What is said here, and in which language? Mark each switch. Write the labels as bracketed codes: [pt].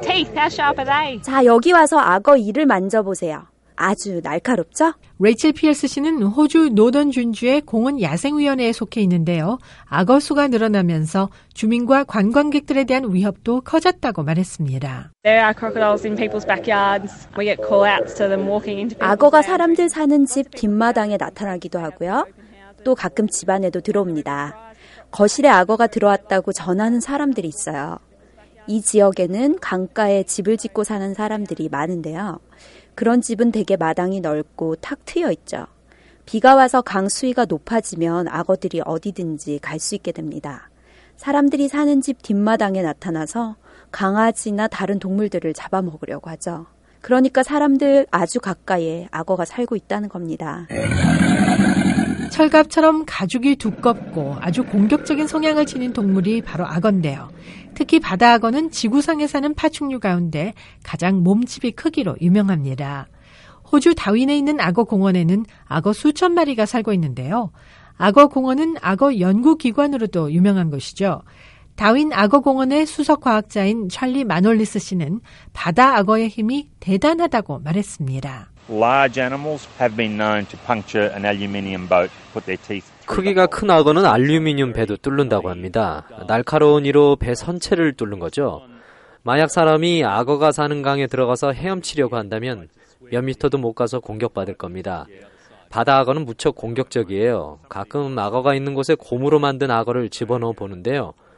[en] teeth. How sharp are they? [ko] 자, 여기 와서 악어 이를 만져보세요. 아주 날카롭죠? 레이첼 피어스 씨는 호주 노던 준주의 공원 야생위원회에 속해 있는데요. 악어 수가 늘어나면서 주민과 관광객들에 대한 위협도 커졌다고 말했습니다. [en] There are crocodiles in people's backyards. We get call-outs to them walking into. [ko] 악어가 사람들 사는 집 뒷마당에 나타나기도 하고요. 또 가끔 집안에도 들어옵니다. 거실에 악어가 들어왔다고 전하는 사람들이 있어요. 이 지역에는 강가에 집을 짓고 사는 사람들이 많은데요. 그런 집은 대개 마당이 넓고 탁 트여 있죠. 비가 와서 강 수위가 높아지면 악어들이 어디든지 갈 수 있게 됩니다. 사람들이 사는 집 뒷마당에 나타나서 강아지나 다른 동물들을 잡아먹으려고 하죠. 그러니까 사람들 아주 가까이에 악어가 살고 있다는 겁니다. 철갑처럼 가죽이 두껍고 아주 공격적인 성향을 지닌 동물이 바로 악어인데요. 특히 바다 악어는 지구상에 사는 파충류 가운데 가장 몸집이 크기로 유명합니다. 호주 다윈에 있는 악어 공원에는 악어 수천 마리가 살고 있는데요. 악어 공원은 악어 연구기관으로도 유명한 곳이죠. 다윈 악어 공원의 수석 과학자인 찰리 마놀리스 씨는 바다 악어의 힘이 대단하다고 말했습니다. [en] Large animals have been known to puncture an aluminium boat, put their teeth. [ko] 크기가 큰 악어는 알루미늄 배도 뚫는다고 합니다. 날카로운 이로 배 선체를 뚫는 거죠. 만약 사람이 악어가 사는 강에 들어가서 헤엄치려고 한다면 몇 미터도 못 가서 공격받을 겁니다. 바다 악어는 무척 공격적이에요. 가끔 악어가 있는 곳에 곰으로 만든 악어를 집어넣어 보는데요.